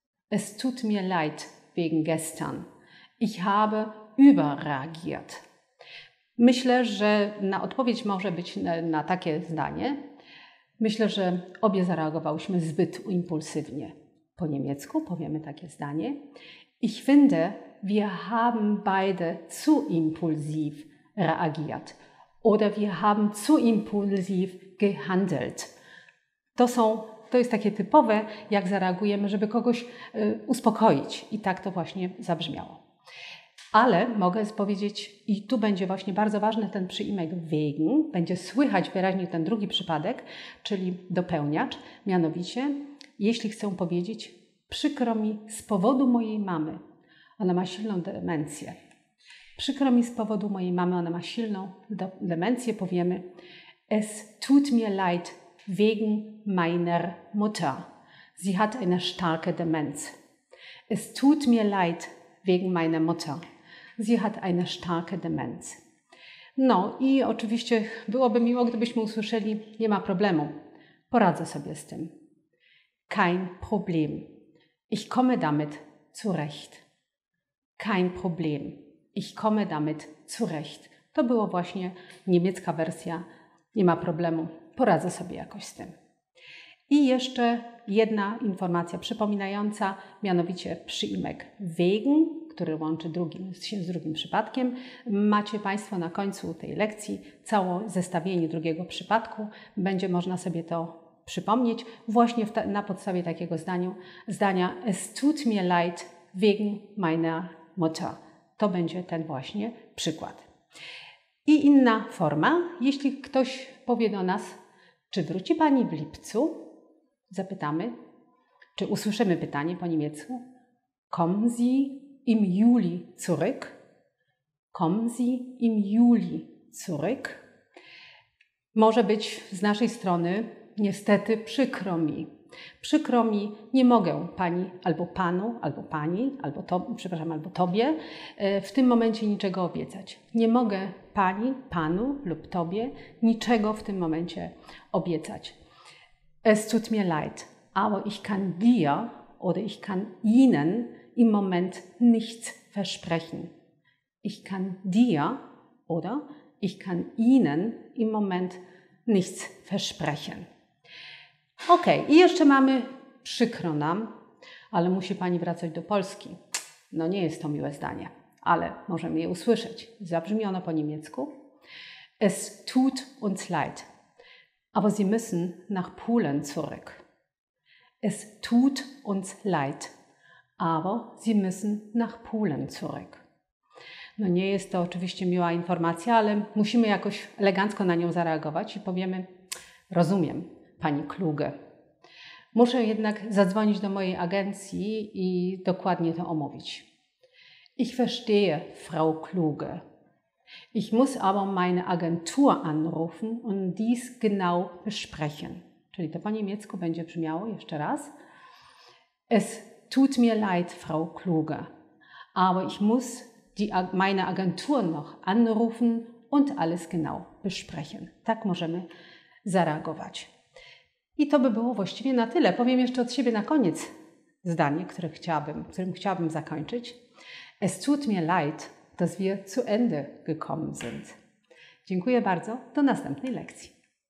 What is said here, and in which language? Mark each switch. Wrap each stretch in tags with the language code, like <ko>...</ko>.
<de>Es tut mir leid wegen gestern. Ich habe überreagiert.</de> <pl>Myślę, że na odpowiedź może być na takie zdanie. Myślę, że obie zareagowałyśmy zbyt impulsywnie. Po niemiecku powiemy takie zdanie.</pl> <de>Ich finde, wir haben beide zu impulsiv reagiert. Oder wir haben zu impulsiv gehandelt.</de> <pl>To jest takie typowe, jak zareagujemy, żeby kogoś uspokoić. I tak to właśnie zabrzmiało. Ale mogę powiedzieć, i tu będzie właśnie bardzo ważny ten przyimek wegen, będzie słychać wyraźnie ten drugi przypadek, czyli dopełniacz. Mianowicie, jeśli chcę powiedzieć, przykro mi z powodu mojej mamy, ona ma silną demencję. Przykro mi z powodu mojej mamy, ona ma silną demencję, powiemy,</pl> <de>es tut mir leid, wegen meiner Mutter. Sie hat eine starke Demenz. Es tut mir leid wegen meiner Mutter. Sie hat eine starke Demenz.</de> <pl>No i oczywiście byłoby miło, gdybyśmy usłyszeli, nie ma problemu. Poradzę sobie z tym.</pl> <de>Kein Problem. Ich komme damit zurecht. Kein Problem. Ich komme damit zurecht.</de> <pl>To była właśnie niemiecka wersja, nie ma problemu. Poradzę sobie jakoś z tym. I jeszcze jedna informacja przypominająca, mianowicie przyimek wegen, który łączy się z drugim przypadkiem. Macie Państwo na końcu tej lekcji całe zestawienie drugiego przypadku. Będzie można sobie to przypomnieć właśnie na podstawie takiego zdania</pl> <de>es tut mir leid wegen meiner Mutter.</de> <pl>To będzie ten właśnie przykład. I inna forma, jeśli ktoś powie do nas, czy wróci Pani w lipcu? Zapytamy. Czy usłyszymy pytanie po niemiecku?</pl> <de>Kommen Sie im Juli zurück? Kommen Sie im Juli zurück?</de> <pl>Może być z naszej strony niestety przykro mi. Przykro mi, nie mogę pani albo panu, albo pani, albo to, przepraszam, albo tobie w tym momencie niczego obiecać. Nie mogę pani, panu lub tobie niczego w tym momencie obiecać.</pl> <de>Es tut mir leid, aber ich kann dir oder ich kann Ihnen im Moment nichts versprechen. Ich kann dir oder ich kann Ihnen im Moment nichts versprechen.</de> <pl>Ok, i jeszcze mamy przykro nam, ale musi pani wracać do Polski. No nie jest to miłe zdanie, ale możemy je usłyszeć. Zabrzmi ono po niemiecku.</pl> <de>Es tut uns leid, aber Sie müssen nach Polen zurück. Es tut uns leid, aber Sie müssen nach Polen zurück.</de> <pl>No nie jest to oczywiście miła informacja, ale musimy jakoś elegancko na nią zareagować i powiemy, rozumiem. Pani Kluge. Muszę jednak zadzwonić do mojej agencji i dokładnie to omówić.</pl> <de>Ich verstehe, Frau Kluge. Ich muss aber meine Agentur anrufen und dies genau besprechen.</de> <pl>Czyli to po niemiecku będzie brzmiało jeszcze raz.</pl> <de>Es tut mir leid, Frau Kluge. Aber ich muss meine Agentur noch anrufen und alles genau besprechen.</de> <pl>Tak możemy zareagować. I to by było właściwie na tyle. Powiem jeszcze od siebie na koniec zdanie, którym chciałabym zakończyć.</pl> <de>Es tut mir leid, dass wir zu Ende gekommen sind.</de> <pl>Dziękuję bardzo. Do następnej lekcji.</pl>